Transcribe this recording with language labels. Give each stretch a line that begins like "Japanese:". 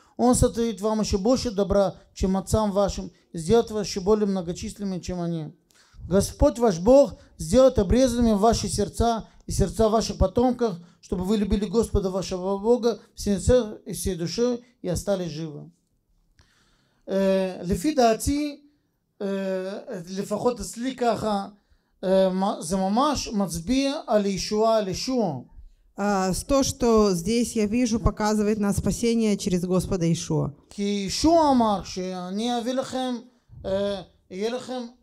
Russian: Он сотворит вам еще больше добра, чем отцам вашим, и сделает вас еще более многочисленными, чем они. Господь ваш Бог сделает обрезанными ваши сердца и сердца ваших потомков, чтобы вы любили Господа вашего Бога всем сердцем и всей душой и остались живы.
Hebrew: לפי דעתי, לפחות אצלי ככה, זה ממש מצביע על ישועה, על ישוע.
Russian: То, что здесь я вижу, показывает на спасение через Господа Ишуа.
Hebrew: כי ישוע אמר שאני אביא לכם, יהיה לכם